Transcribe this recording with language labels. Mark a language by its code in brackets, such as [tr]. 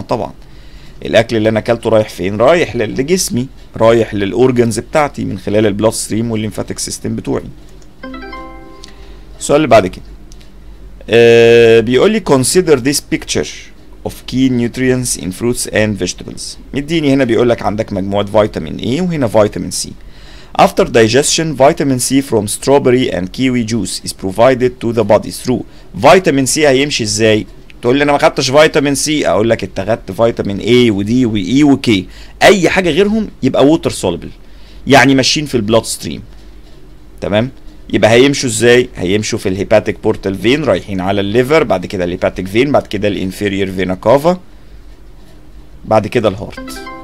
[ar] طبعا الاكل اللي انا اكلته رايح فين؟ رايح لجسمي، رايح للاورجنز بتاعتي من خلال البلود ستريم والليمفاتيك سيستم بتوعي. السؤال اللي بعد كده بيقول لي [en] consider this picture of key nutrients in fruits and vegetables. [ar] مديني هنا بيقول لك عندك مجموعه فيتامين A وهنا فيتامين C. [en] After digestion, vitamin C from strawberry and kiwi juice is provided to the body through. [ar] فيتامين C هيمشي ازاي؟ تقول لي انا ما خدتش فيتامين سي، اقول لك انت خدت فيتامين اي ودي واي وكي، اي حاجه غيرهم يبقى ووتر سوليبل، يعني ماشيين في البلود ستريم. تمام، يبقى هيمشوا ازاي؟ هيمشوا في الهيباتيك بورتال فين، رايحين على الليفر، بعد كده الهيباتيك فين، بعد كده الانفيرير فينا كافا، بعد كده الهارت.